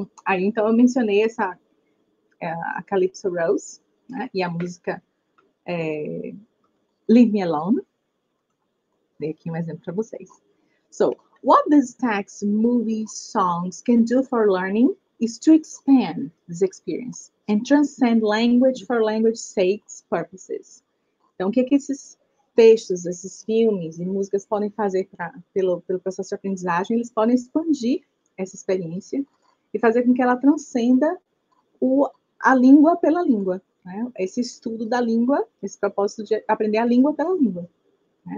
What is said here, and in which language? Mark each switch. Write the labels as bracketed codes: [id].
[pt] Então, eu mencionei essa a Calypso Rose, né, e a música Leave Me Alone. Dei aqui um exemplo para vocês. [en] So, what these texts, movies, songs can do for learning is to expand this experience and transcend language for language's sake purposes. [pt] Então, o que, que esses textos, esses filmes e músicas podem fazer pelo processo de aprendizagem? Eles podem expandir essa experiência e fazer com que ela transcenda a língua pela língua, né? Esse estudo da língua, esse propósito de aprender a língua pela língua, né?